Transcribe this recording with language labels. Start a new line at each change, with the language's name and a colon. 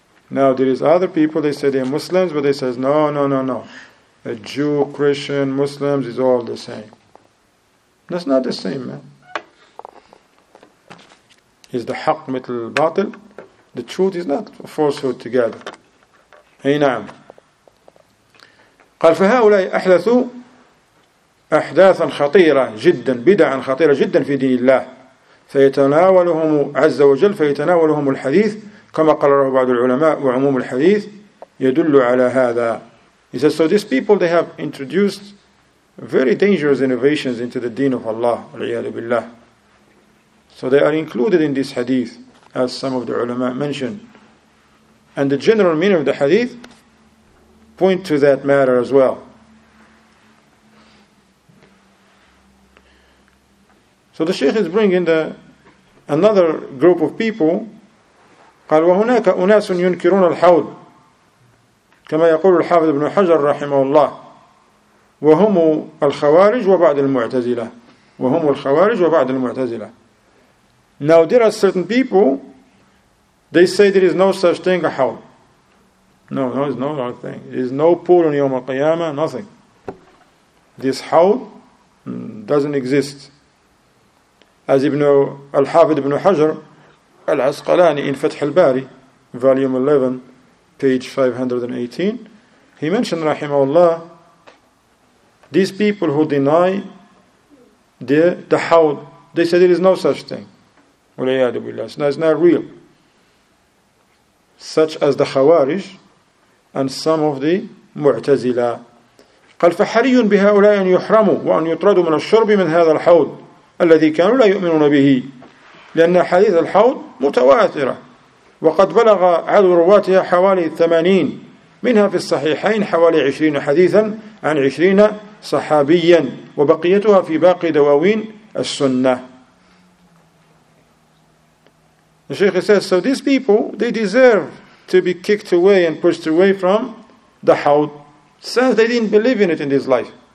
English: Now there is other people, they say they're Muslims, but they say, no. A Jew, Christian, Muslims is all the same. That's not the same, man. Is the
Arabic: haqq mitl al-batil?
English: The truth is not a falsehood together. Hey, na'am.
Arabic: قال فهؤلاء أحدثوا أحداثا خطيرة جدا بدعا خطيرة جدا في دين الله فيتناولهم عز وجل فيتناولهم الحديث كما قرره بعض العلماء وعموم الحديث يدل على هذا.
English: He says, so these people, they have introduced very dangerous innovations into the deen of Allah, al-iyadu billah. So they are included in this hadith, as some of the ulama mentioned. And the general meaning of the hadith point to that matter as well. So the Shaykh is bringing another group of people.
Arabic: قال وهناك أناس ينكرون الحوض كما يقول الحافظ ابن حجر رحمه الله وهم الخوارج وبعض المعتزلة وهم الخوارج وبعض المعتزلة.
English: Now there are certain people, they say there is no such thing as hawl. No, it's no such thing. There is no pool in Yawm al-Qiyamah, nothing. This hawl doesn't exist. As Ibn al-Hafidh ibn Hajar al-Asqalani in Fath al-Bari, volume 11, page 518, he mentioned, rahimahullah, these people who deny the hawl, they say there is no such thing. It's not real. Such as the Khawarij and some of the Mu'tazila.
Arabic: قال فحري بهؤلاء أن يحرموا وأن يطردوا من الشرب من هذا الحوض الذي كانوا لا يؤمنون به لأن حديث الحوض متواترة وقد بلغ عدد رواتها حوالي 80 منها في الصحيحين حوالي 20 حديثا عن 20 صحابيا وبقيتها في باقي دواوين السنة.
English: The Shaykh says, so these people, they deserve to be kicked away and pushed away from the Hawd, since they didn't believe in it in this life.